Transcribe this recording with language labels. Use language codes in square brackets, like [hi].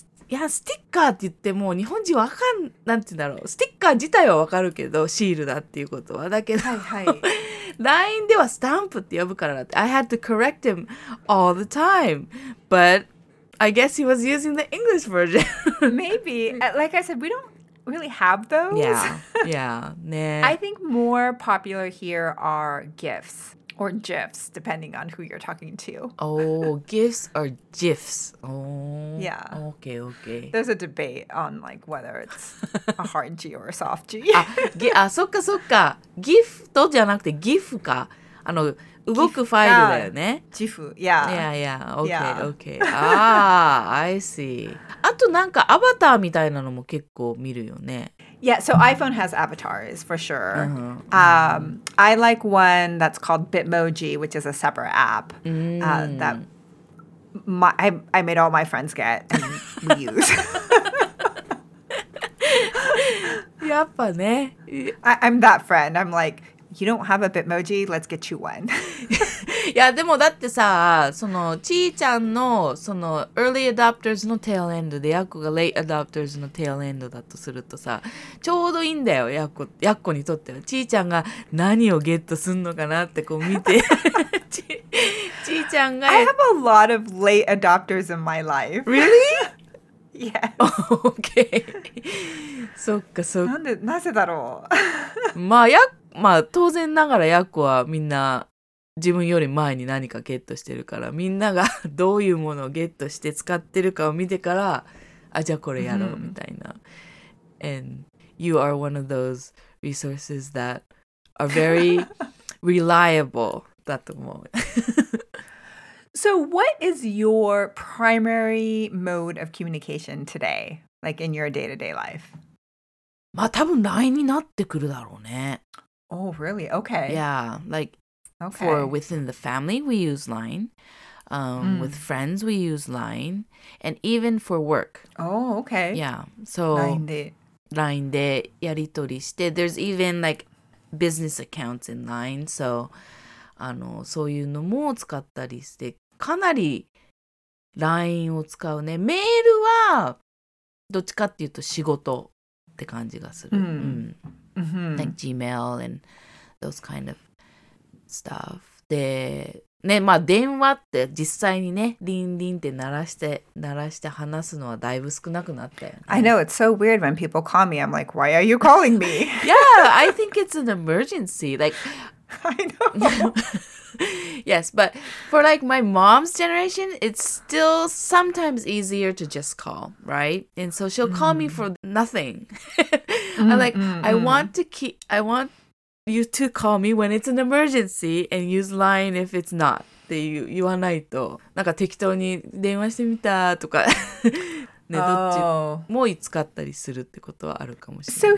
[ja] いや、スティッカーって言っても日本人わかん、なんて言うんだろう。スティッカー自体はわかるけど、シールだっていうことは。だけど、はいはい、 LINE ではスタンプって呼ぶからだって。 [en] I had to correct him all the time. But I guess he was using the English version. Maybe. Like I said, we don't really have those. Yeah, yeah. ね、 I think more popular here are GIFs or GIFs, depending on who you're talking to. Oh, GIFs or GIFs. Oh. Yeah. Okay, okay. There's a debate on like whether it's a hard G or a soft G. [ja] そっかそっか。GIF とじゃなくて GIF か。あの、動くファイルだよね。 [en] GIF, yeah. Yeah, yeah. Okay, yeah. Okay. Ah, I see. [ja] あとなんかアバターみたいなのも結構見るよね。 [en] Yeah, so iPhone has avatars for sure. I like one that's called Bitmoji, which is a separate app I made all my friends get and we use. [ja] やっぱね。 [en] I'm that friend. I'm like, you don't have a Bitmoji, let's get you one. [ja] いやでもだってさ、そのちーちゃんのその early adopters の tail end でやっこが late adopters の tail end だとするとさ、ちょうどいいんだよ、やっこにとっては。ちーちゃんが何をゲットすんのかなってこう見て。 [en] I have a lot of late adopters in my life. Really? Yes. [ja] Okay. そっかそっか。なぜだろう。まあ当然ながらヤッコはみんな自分より前に何かゲットしてるから、みんながどういうものをゲットして使ってるかを見てから、あ、じゃあこれやろうみたいな。 [en] Mm-hmm. And you are one of those resources that are very reliable [ja] だと思う。 [en] So what is your primary mode of communication today, like in your day-to-day life? [ja] まあ多分 LINE になってくるだろうね。 [en] Oh, really? Okay. Yeah, like okay. for within the family, we use LINE. With friends, we use LINE. And even for work. Oh, okay. Yeah, so [ja] LINE でやり取りして、 [en] there's even like business accounts in LINE, so... [ja] あのそういうのも使ったりしてかなり LINE を使うね。メールはどっちかっていうと仕事って感じがする。 [en] Mm-hmm. うん。Like Gmail and those kind of stuff. [ja] で、ね、まあ電話って実際にね、リンリンって鳴らして話すのはだいぶ少なくなったよね。 [en] I know, it's so weird when people call me. I'm like, why are you calling me? Yeah, I think it's an emergency. Like, I know. Yes, but for like my mom's generation, it's still sometimes easier to just call, right? And so she'll call me for nothing. I'm like, I want you to call me when it's an emergency and use LINE if it's not. [ja] って言わないと、なんか適当に電話してみたとか ね、どっちも使ったりするってことはあるかもしれない。